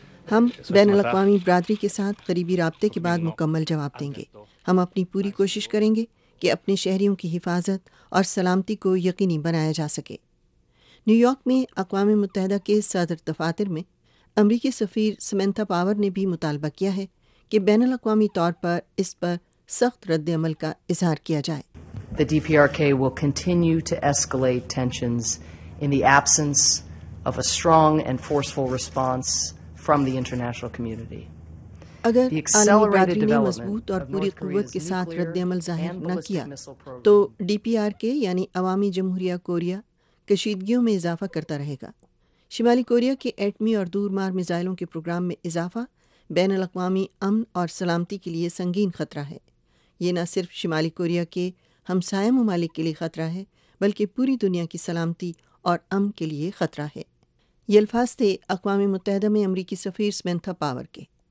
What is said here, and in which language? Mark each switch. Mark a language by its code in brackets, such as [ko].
[ur] ہم بین الاقوامی برادری کے ساتھ قریبی رابطے کے بعد مکمل جواب دیں گے۔ ہم اپنی پوری کوشش کریں گے کہ اپنے شہریوں کی حفاظت اور سلامتی کو یقینی بنایا جا سکے۔ نیو یارک میں اقوام متحدہ کے صدر دفاتر میں امریکی سفیر سمنتھا پاور نے بھی مطالبہ کیا ہے کہ بین الاقوامی طور پر اس پر سخت رد عمل کا اظہار کیا جائے۔ [en] The DPRK will continue to escalate tensions in the absence of a strong and forceful response from the international community. [ur] اگر عالمی برادری نے مضبوط اور پوری قوت کے ساتھ رد عمل ظاہر نہ کیا تو ڈی پی آر کے یعنی عوامی جمہوریہ کوریا کشیدگیوں میں اضافہ کرتا رہے گا۔ شمالی کوریا کے ایٹمی اور دور مار میزائلوں کے پروگرام میں اضافہ بین الاقوامی امن اور سلامتی کے لیے سنگین خطرہ ہے۔ یہ نہ صرف شمالی کوریا کے ہمسایہ ممالک کے لیے خطرہ ہے بلکہ پوری دنیا کی سلامتی اور امن کے لیے خطرہ ہے۔ یہ الفاظ تھے اقوام متحدہ میں امریکی سفیر سمنتھا پاور کے۔